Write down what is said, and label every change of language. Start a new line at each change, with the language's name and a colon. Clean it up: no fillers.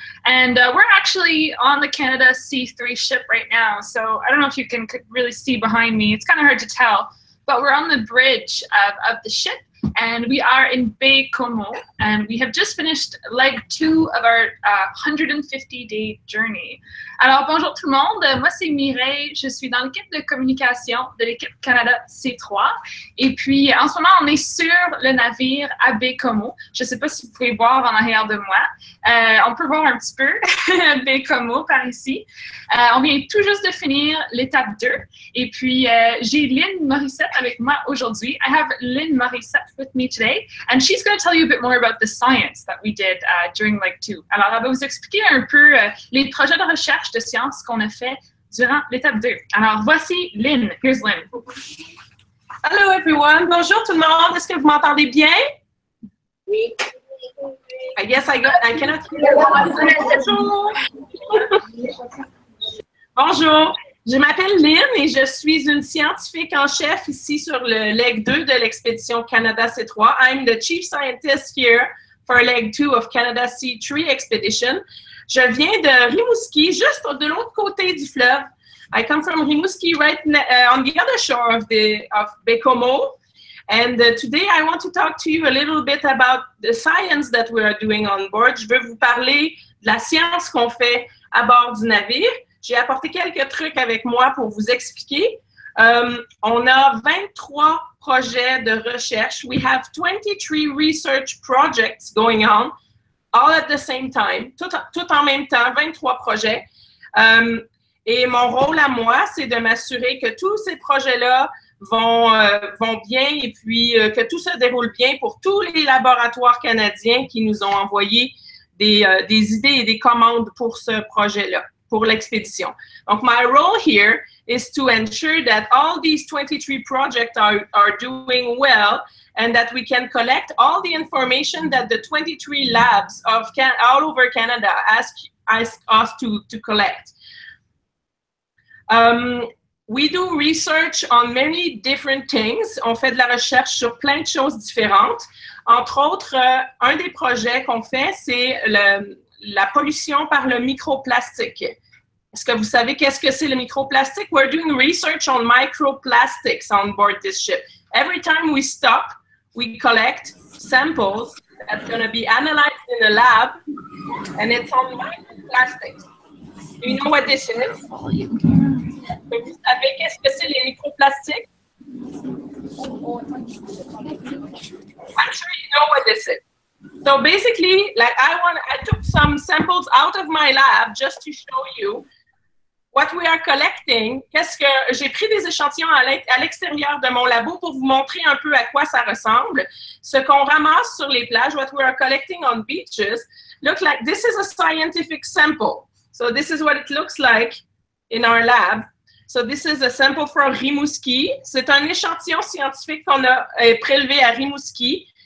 English: And we're actually on the Canada C3 ship right now. So I don't know if you can really see behind me. It's kind of hard to tell. But we're on the bridge of the ship, and we are in Bay Como. And we have just finished leg two of our 150-day journey.
French: Alors, bonjour tout le monde. Moi, c'est Mireille. Je suis dans l'équipe de communication de l'équipe Canada C3. Et puis, en ce moment, on est sur le navire à Bay Como. Je ne sais pas si vous pouvez voir en arrière de moi. On peut voir un petit peu Bay Como par ici. On vient tout juste de finir l'étape 2. Et puis, j'ai Lyne Morissette avec moi aujourd'hui.
English: I have Lyne Morissette with me today. And she's going to tell you a bit more about the science that we did during leg two.
French: Alors, elle va vous expliquer un peu les projets de recherche de sciences qu'on a fait durant l'étape 2. Alors, voici Lyne.
English: Here's Lyne. Hello, everyone.
French: Bonjour, tout le monde. Est-ce que vous m'entendez bien? Oui.
English: I guess I cannot hear you. Bonjour.
French: Je m'appelle Lyne et je suis une scientifique en chef ici sur le leg 2 de l'expédition Canada C3.
English: I'm the chief scientist here for leg 2 of Canada C3 expedition.
French: Je viens de Rimouski, juste de l'autre côté du fleuve.
English: I come from Rimouski, right on the other shore of Bay Como. And today I want to talk to you a little bit about the science that we are doing on board.
French: Je veux vous parler de la science qu'on fait à bord du navire. J'ai apporté quelques trucs avec moi pour vous expliquer. On a 23 projets de recherche.
English: We have 23 research projects going on. All at the same time,
French: tout en même temps, 23 projets. Et mon rôle à moi, c'est de m'assurer que tous ces projets-là vont bien et puis que tout se déroule bien pour tous les laboratoires canadiens qui nous ont envoyé des idées et des commandes pour ce projet-là, pour l'expédition.
English: Donc, my role here is to ensure that all these 23 projects are doing well and that we can collect all the information that the 23 labs of all over Canada ask us to collect. We do research on many different things.
French: On fait de la recherche sur plein de choses différentes. Entre autres, un des projets qu'on fait, c'est la pollution par le microplastique. Est-ce que vous savez qu'est-ce que c'est le microplastique?
English: We're doing research on microplastics on board this ship. Every time we stop, we collect samples that's going to be analyzed in a lab, and it's on microplastics. Do you know what this is?
French: Vous savez qu'est-ce que c'est les microplastiques?
English: I'm sure you know what this is. So basically, like I took some samples out of my lab just to show you what we are collecting.
French: Qu'est-ce que j'ai pris des échantillons à l'extérieur de mon labo pour vous montrer un peu à quoi ça ressemble. Ce qu'on ramasse sur les plages,
English: what we are collecting on beaches, look like this is a scientific sample. So this is what it looks like in our lab. So this is a sample from Rimouski.
French: C'est un échantillon scientifique qu'on a prélevé à Rimouski.